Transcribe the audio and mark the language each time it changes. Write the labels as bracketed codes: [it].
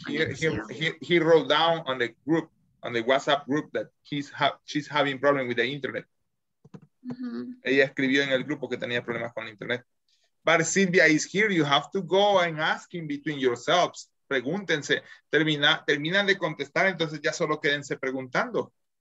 [en] He wrote down on the group, on the WhatsApp group, that she's having problem with the internet. Uh-huh. [es] Ella escribió en el grupo que tenía problemas con el internet. [en] But Sylvia is here. You have to go and ask in between yourselves. [es] Pregúntense. Terminan de contestar, entonces ya solo quédense preguntando.